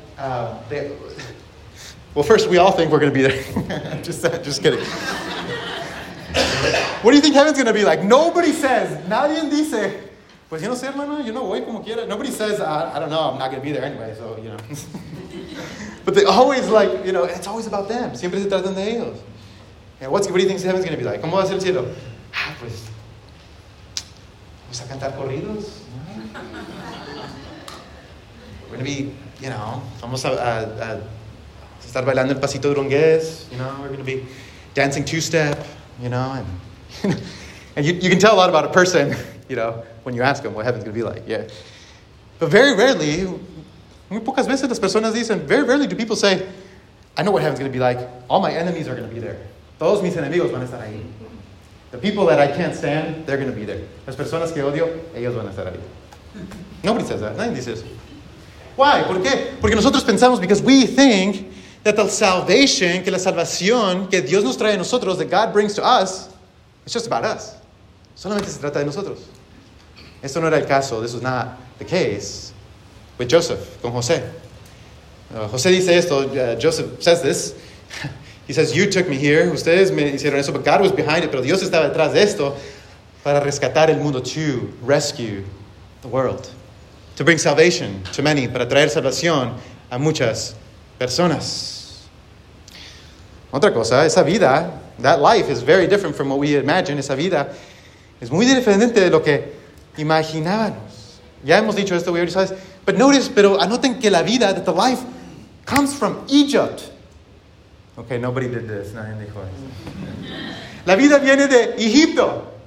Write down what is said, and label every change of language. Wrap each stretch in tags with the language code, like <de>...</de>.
<en>well, first, we all think we're going to be there. just kidding. What do you think heaven's going to be like? Nobody says,</en> <es>nadie dice, pues yo no sé, hermano, yo no voy como quiera.</es> <en>Nobody says, I don't know, I'm not going to be there anyway, so, you know. But they always, like, you know, it's always about them.</en> <es>Siempre se tratan de ellos.</es> <en>And what do you think heaven's going to be like?</en> <es>¿Cómo va a ser el cielo? Pues, vamos a cantar corridos.</es> <en>We're going to be, you know,</en> <es>vamos a estar bailando el pasito duranguez,</es> <en>you know, we're going to be dancing two-step, you know, and you can tell a lot about a person, you know, when you ask them what heaven's going to be like, yeah. But very rarely,</en> <es>muy pocas veces las personas dicen,</es> <en>very rarely do people say, I know what heaven's going to be like, all my enemies are going to be there.</en> <es>Todos mis enemigos van a estar ahí.</es> <en>The people that I can't stand, they're going to be there.</en> <es>Las personas que odio, ellos van a estar ahí.</es> <en>Nobody says that,</en> <es>nadie dice eso.</es> <en>Why?</en> <es>¿Por qué? Porque nosotros pensamos,</es> <en>because we think that the salvation,</en> <es>que la salvación que Dios nos trae a nosotros,</es> <en>that God brings to us, it's just about us.</en> <es>Solamente se trata de nosotros. Esto no era el caso.</es> <en>This was not the case with Joseph,</en> <es>con José. José dice esto.</es> <en>Joseph says this. He says, you took me here.</en> <es>Ustedes me hicieron eso,</es> <en>but God was behind it.</en> <es>Pero Dios estaba detrás de esto para rescatar el mundo,</es> <en>to rescue the world. To bring salvation to many,</en> <es>para traer salvación a muchas personas. Otra cosa, esa vida,</es> <en>that life is very different from what we imagine.</en> <es>Esa vida es muy diferente de lo que imaginábamos. Ya hemos dicho esto,</es> <en>we already saw this. But notice,</en> <es>pero anoten que la vida,</es> <en>that the life comes from Egypt. Okay, nobody did this.</en> <es>Nadie dijo eso. La vida viene de Egipto.</es>